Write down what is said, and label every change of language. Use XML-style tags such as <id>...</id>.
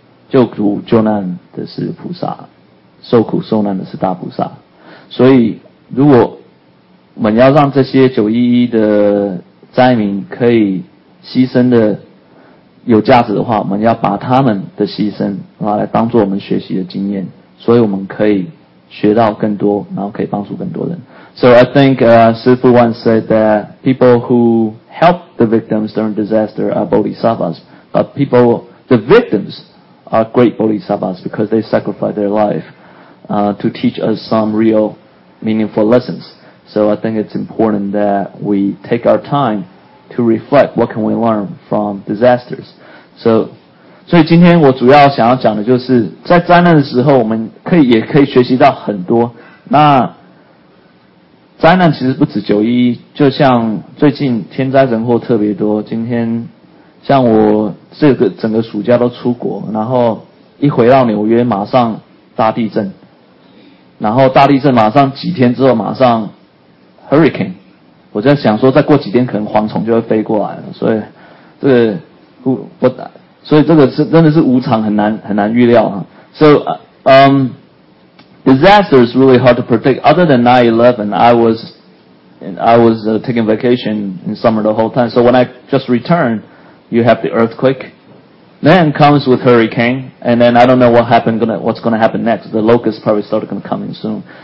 <zh>救苦救难的是菩萨，受苦受难的是大菩萨，所以如果我们要让这些911的灾民可以牺牲的有价值的话，我们要把他们的牺牲来当作我们学习的经验，所以我们可以学到更多，然后可以帮助更多人。</zh> <en>So I think 师父 once said that people who help the victims during disaster are bodhisattvas, but people, the victims are great bodhisattvas because they sacrifice their life to teach us some real meaningful lessonsSo I think it's important that we take our time to reflect what can we learn from disasters. So</en> <zh>今天我主要想要讲的就是在灾难的时候我们也可以学习到很多。那灾难其实不止911，就像最近天灾人祸特别多，今天像我这个整个暑假都出国，然后一回到纽约马上大地震，然后大地震马上几天之后马上Hurricane， 我在想说再过几天可能蝗虫就会飞过来了，所以这个真的是无常，很难预料啊。</zh> <en>So, disaster is really hard to predict. Other than 9/11, I was taking vacation in summer the whole time. So when I just returned, you have the earthquake. Then comes with hurricane, and then I don't know what's gonna happen next. The locusts probably started gonna come in soon.</en>